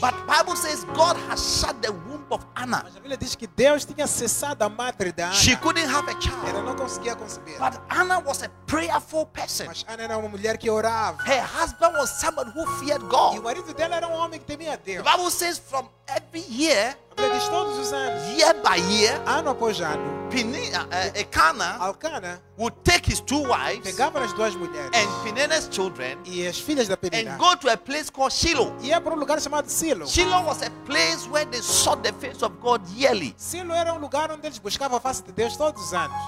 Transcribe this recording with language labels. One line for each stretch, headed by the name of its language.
English: But Bible says God has shut the womb of Anna.
Portuguese: Mas a Bíblia diz que Deus tinha cessado a madre da Ana.
English: She couldn't have a child.
Portuguese: Ela não conseguia conceber.
English: But Anna was a prayerful person.
Portuguese: Mas Ana era uma mulher que orava.
English: Her husband was someone who feared God.
Portuguese: E o marido dela era um homem que temia Deus.
English: The Bible says from every year,
Portuguese: a Bíblia diz todos os anos,
English: year by year,
Portuguese: ano após ano,
English: Elkanah would take his two wives,
Portuguese: pegava as duas mulheres,
English: and Penina's children,
Portuguese: e as filhas da Penina,
English: and go to a place called Shiloh.
Portuguese: Ia para um lugar chamado Shiloh.
English: Shiloh was a place where they sought the face of God yearly.
Portuguese: Shiloh era um lugar onde eles buscavam a face de Deus todos os anos.